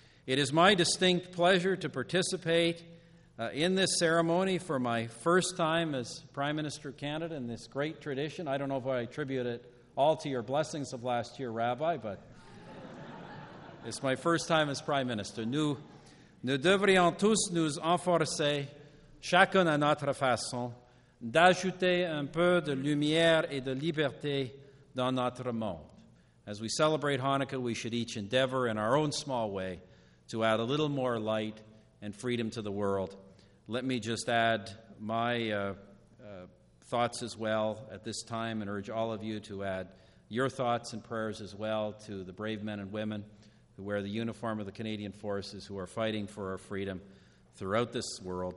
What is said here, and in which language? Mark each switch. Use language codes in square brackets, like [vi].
[en] It is my distinct pleasure to participate in this ceremony for my first time as Prime Minister of Canada in this great tradition. I don't know if I attribute it all to your blessings of last year, Rabbi, but it's my first time as Prime Minister. [fr] Nous devrions tous nous efforcer, chacun à notre façon, d'ajouter un peu de lumière et de liberté dans notre monde. [en] As we celebrate Hanukkah, we should each endeavor in our own small way to add a little more light and freedom to the world. Let me just add my thoughts as well at this time and urge all of you to add your thoughts and prayers as well to the brave men and women who wear the uniform of the Canadian Forces, who are fighting for our freedom throughout this world.